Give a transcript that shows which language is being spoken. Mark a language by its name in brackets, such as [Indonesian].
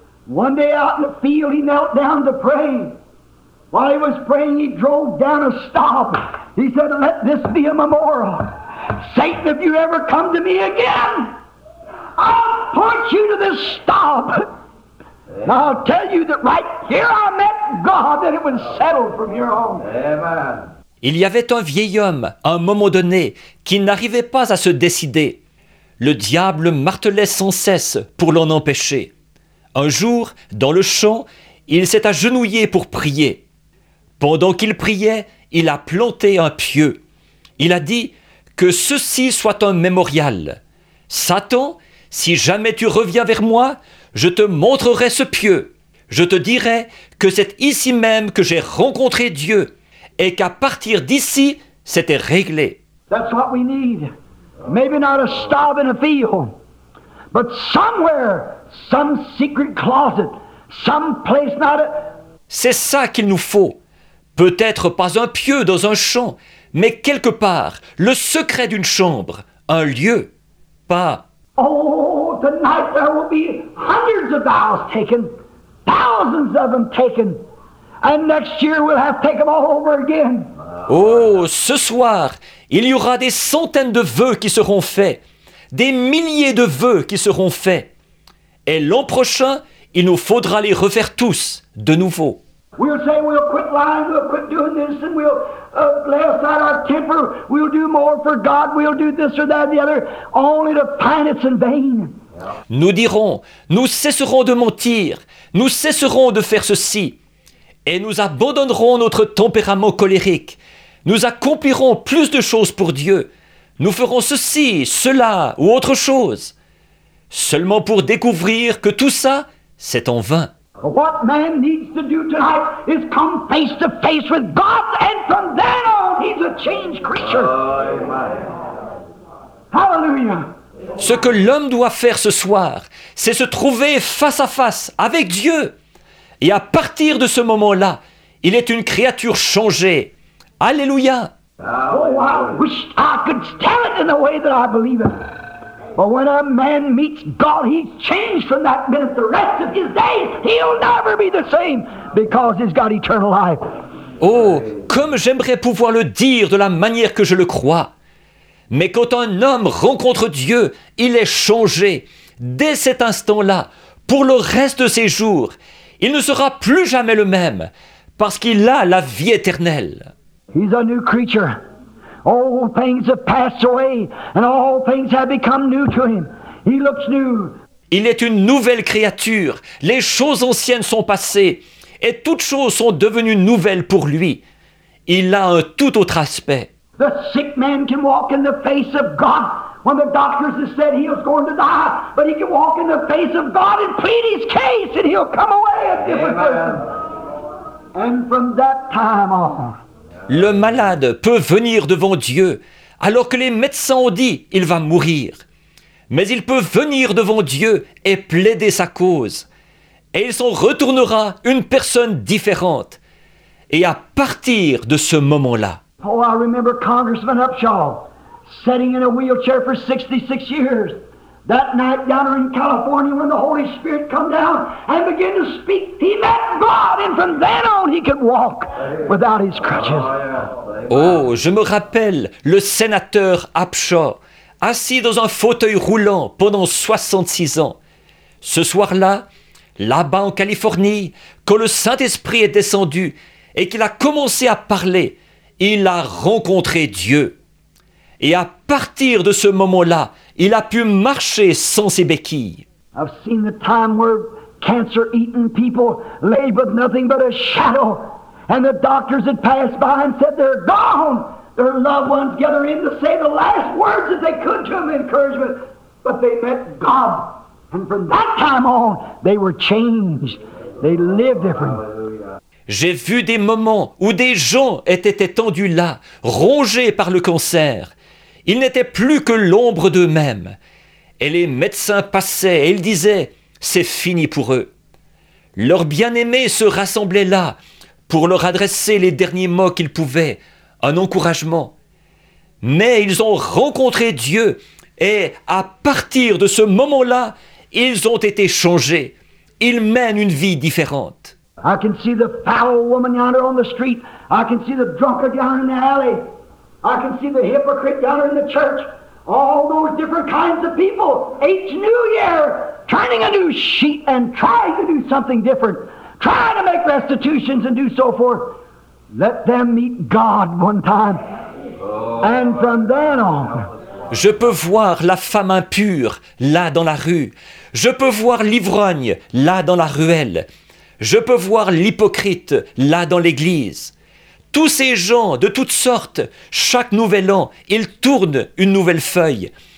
[English] One day out in the field, he knelt down to pray. While he was praying, he drove down a stump. He said, let this be a memorial. Satan, if you ever come to me again, I'll point you to this stump. And I'll tell you that right here I met God, that it was settled from here on. Amen. [French] Il y avait un vieil homme, à un moment donné, qui n'arrivait pas à se décider. Le diable martelait sans cesse pour l'en empêcher. Un jour, dans le champ, il s'est agenouillé pour prier. Pendant qu'il priait, il a planté un pieu. Il a dit « Que ceci soit un mémorial. Satan, si jamais tu reviens vers moi, je te montrerai ce pieu. Je te dirai que c'est ici même que j'ai rencontré Dieu et qu'à partir d'ici, c'était réglé. » [English] That's what we need. Maybe not a stop in a field, but somewhere, some secret closet, some place not a... [French] C'est ça qu'il nous faut. Peut-être pas un pieu dans un champ, mais quelque part, le secret d'une chambre, un lieu, pas... [English] Oh, tonight there will be hundreds of vows taken, thousands of them taken, and next year we'll have to take them all over again. [French] Oh, ce soir, Il y aura des centaines de vœux qui seront faits, des milliers de vœux qui seront faits. Et l'an prochain, il nous faudra les refaire tous de nouveau. [English] We'll say we'll quit lying, we'll quit doing this, and we'll lay aside our temper, we'll do more for God, we'll do this or that or the other, only to find it's in vain. [French] Nous dirons, nous cesserons de mentir, nous cesserons de faire ceci, et nous abandonnerons notre tempérament colérique. Nous accomplirons plus de choses pour Dieu. Nous ferons ceci, cela ou autre chose, seulement pour découvrir que tout ça, c'est en vain. [English] What man needs to do tonight is come face to face with God, and from then on, he's a changed creature. Hallelujah. [French] Ce que l'homme doit faire ce soir, c'est se trouver face à face avec Dieu. Et à partir de ce moment-là, il est une créature changée. Alléluia. [English] Oh, I wish I could tell it in the way that I believe it. But when a man meets God, he's changed from that minute. The rest of his days, he'll never be the same because he's got eternal life. [French] Oh, comme j'aimerais pouvoir le dire de la manière que je le crois. Mais quand un homme rencontre Dieu, il est changé. Dès cet instant-là, pour le reste de ses jours, il ne sera plus jamais le même, parce qu'il a la vie éternelle. [English] He's a new creature. All things have passed away, and all things have become new to him. He looks new. [French] Il est une nouvelle créature. Les choses anciennes sont passées, et toutes choses sont devenues nouvelles pour lui. Il a un tout autre aspect. [English] The sick man can walk in the face of God when the doctors have said he was going to die, but he can walk in the face of God and plead his case, and he'll come away a different person. And from that time on. [French] Le malade peut venir devant Dieu alors que les médecins ont dit il va mourir. Mais il peut venir devant Dieu et plaider sa cause. Et il s'en retournera une personne différente. Et à partir de ce moment-là. [English] Oh, I remember Congressman Upshaw sitting in a wheelchair for 66 years. That night down in California when the Holy Spirit come down and began to speak, he met God, and from then on he could walk without his crutches. [French] Oh, je me rappelle le sénateur Upshaw, assis dans un fauteuil roulant pendant 66 ans. Ce soir-là, là-bas en Californie, quand le Saint-Esprit est descendu et qu'il a commencé à parler, il a rencontré Dieu. Et à partir de ce moment-là, il a pu marcher sans ses béquilles. [English] I've seen the time where cancer-eaten people lay with nothing but a shadow, and the doctors had passed by and said they're gone. Their loved ones gather in to say the last words that they could to them, encouragement, but they met God, and from that time on, they were changed. They lived different. [French] J'ai vu des moments où des gens étaient étendus là, rongés par le cancer. Ils n'étaient plus que l'ombre d'eux-mêmes. Et les médecins passaient et ils disaient, c'est fini pour eux. Leurs bien-aimés se rassemblaient là pour leur adresser les derniers mots qu'ils pouvaient, un encouragement. Mais ils ont rencontré Dieu et à partir de ce moment-là, ils ont été changés. Ils mènent une vie différente. [English] I can see the foul woman yonder on the street. I can see the drunkard down in the alley. I can see the hypocrite down in the church. All those different kinds of people, each new year, turning a new sheet and trying to do something different, trying to make restitutions and do so forth. Let them meet God one time. And from then on. [French] Je peux voir la femme impure là dans la rue. Je peux voir l'ivrogne là dans la ruelle. Je peux voir l'hypocrite là dans l'église. Tous ces gens, de toutes sortes, chaque nouvel an, ils tournent une nouvelle feuille.